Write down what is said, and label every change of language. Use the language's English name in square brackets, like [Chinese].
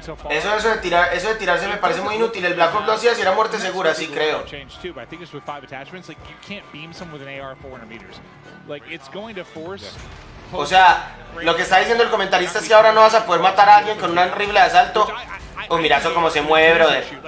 [Spanish] Eso de tirarse me parece muy inútil. El Black Ops lo hacía si era muerte segura, sí creo. [English] I think it's with five attachments. Like you can't beam someone with an AR 400 meters. Like it's going to force. [Spanish] O sea, lo que está diciendo el comentarista es que ahora no vas a poder matar a alguien con una rifle de asalto. Oh, mira eso cómo se mueve, brother.